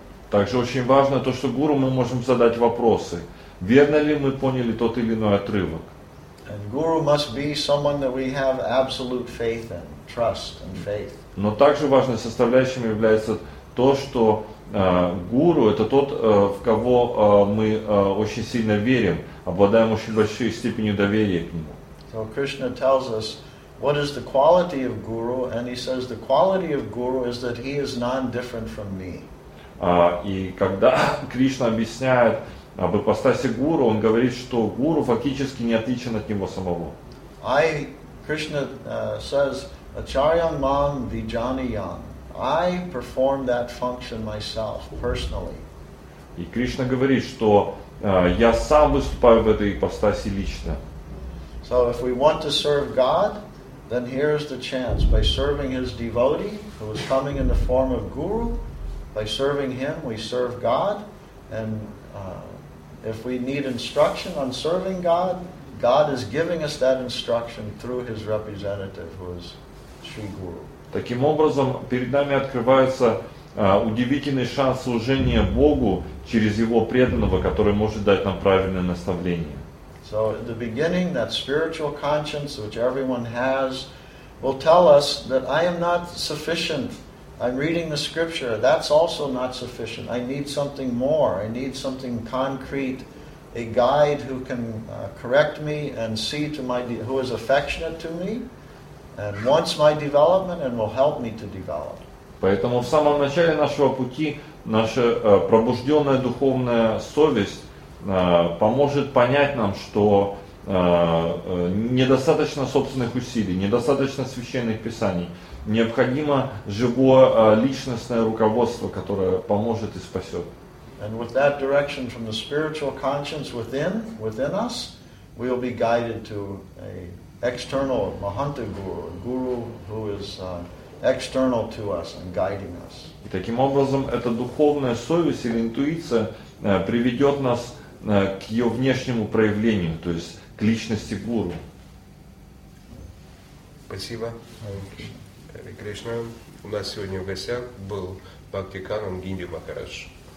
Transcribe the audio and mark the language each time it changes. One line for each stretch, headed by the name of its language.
Russian: Также очень важно то, что гуру мы можем задать вопросы. Верно ли мы поняли тот или иной отрывок?
English: And guru must be someone that we have absolute faith in, trust and faith.
Russian: Но также важной составляющей является то, что гуру это тот, в кого мы очень сильно верим, обладаем очень большой степенью доверия к нему.
English: So Krishna tells us what is the quality of guru, and he says the quality of guru is that he is non-different from me.
Russian: И когда Кришна объясняет об ипостаси гуру, он говорит, что гуру фактически не отличен от него самого. Кришна says,
Sanskrit: Acharyam mam vijaniyam.
English: I perform that function myself, personally.
Russian: И Кришна говорит, что я сам выступаю в этой ипостаси лично.
English: So if we want to serve God, then here is the chance. By serving his devotee, who is coming in the form of guru, by serving him, we serve God, and if we need instruction on serving God, God is giving us that instruction through His representative, who is Sri Guru.
Russian: Таким образом, перед нами открывается удивительный шанс служения Богу через Его преданного, который может дать нам правильное наставление.
English: So, in the beginning, that spiritual conscience, which everyone has, will tell us that I am not sufficient. I'm reading the scripture. That's also not sufficient. I need something more. I need something concrete, a guide who can correct me and see to my who is affectionate to me and wants my development and will help me to develop.
Russian: Поэтому в самом начале нашего пути наша пробужденная духовная совесть поможет понять нам, что недостаточно собственных усилий, недостаточно священных писаний. Необходимо живое личностное руководство, которое поможет и спасет.
English: And with that direction from the spiritual conscience within us, we will be guided to a external Mahanta Guru, a guru who is external to us and guiding us.
Russian: И таким образом, эта духовная совесть или интуиция приведет нас к ее внешнему проявлению, то есть к личности гуру. Спасибо. Кришна, у нас сегодня в гостях был Бхактикана Гинди Махарадж.